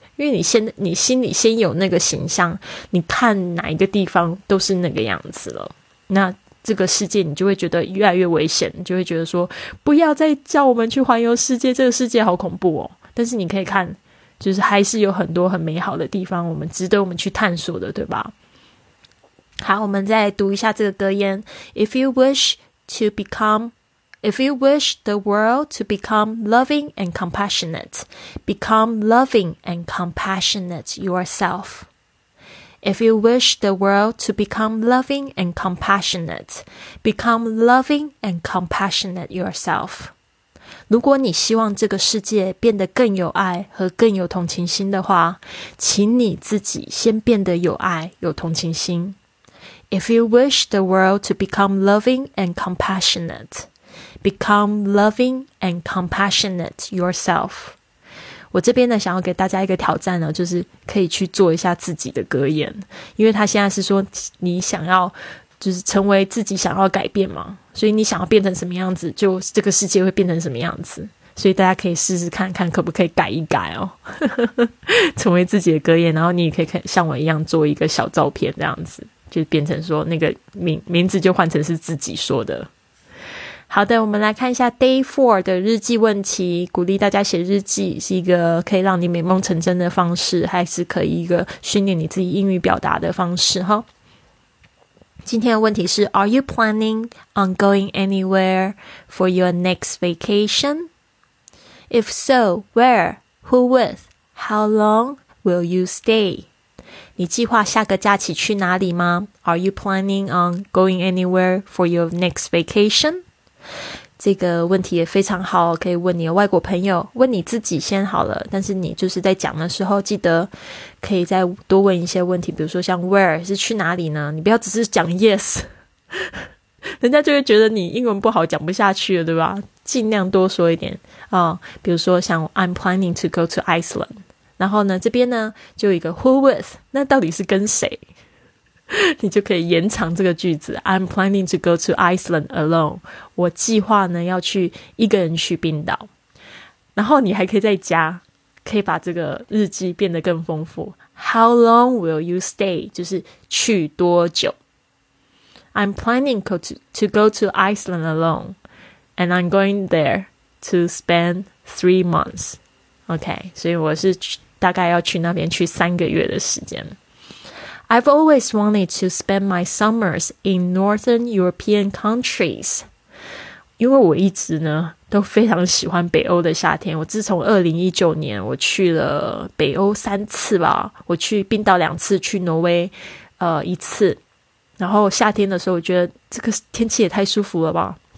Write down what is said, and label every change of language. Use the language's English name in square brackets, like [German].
[Chinese] 因为你心里先有那个形象，你看哪一个地方都是那个样子了，那这个世界你就会觉得越来越危险，你就会觉得说不要再叫我们去环游世界，这个世界好恐怖哦。但是你可以看，就是还是有很多很美好的地方，我们值得我们去探索的，对吧？好，我们再读一下这个格言。 [English] If you wish the world to become loving and compassionate, become loving and compassionate yourself. If you wish the world to become loving and compassionate, become loving and compassionate yourself. [Chinese] 如果你希望这个世界变得更有爱和更有同情心的话，请你自己先变得有爱，有同情心。 [English] If you wish the world to become loving and compassionate, become loving and compassionate yourself. [Chinese] 我这边呢想要给大家一个挑战呢，就是可以去做一下自己的格言。因为他现在是说你想要就是成为自己想要改变嘛，所以你想要变成什么样子，就这个世界会变成什么样子，所以大家可以试试看看可不可以改一改哦。成为自己的格言，然后你也可以像我一样做一个小照片，这样子就变成说那个 名字就换成是自己说的。好的，我们来看一下 Day 4的日记问题。鼓励大家写日记，是一个可以让你美梦成真的方式，还是可以一个训练你自己英语表达的方式哈。今天的问题是 [English] Are you planning on going anywhere for your next vacation? If so, where? Who with? How long will you stay? [Chinese] 你计划下个假期去哪里吗？ [English] Are you planning on going anywhere for your next vacation? [Chinese] 这个问题也非常好，可以问你的外国朋友，问你自己先好了。但是你就是在讲的时候记得可以再多问一些问题，比如说像 where 是去哪里呢，你不要只是讲 yes， 人家就会觉得你英文不好讲不下去了，对吧？尽量多说一点哦，比如说像 [English] I'm planning to go to Iceland， [Chinese] 然后呢这边呢就有一个 [English] who with， [Chinese] 那到底是跟谁，你就可以延长这个句子。 [English] I'm planning to go to Iceland alone， [Chinese] 我计划呢要去一个人去冰岛。然后你还可以再加可以把这个日记变得更丰富。 [English] How long will you stay? [Chinese] 就是去多久。 [English] I'm planning to go to Iceland alone, and I'm going there to spend 3 months. [Chinese] Okay, 所以我是大概要去那边去三个月的时间。 [English] I've always wanted to spend my summers in northern European countries. [Chinese] 因为我一直呢都非常喜欢北欧的夏天。我自从2019年我去了北欧三次吧，我去冰岛两次，去挪威一次，然后夏天的时候我觉得这个天气也太舒服了吧。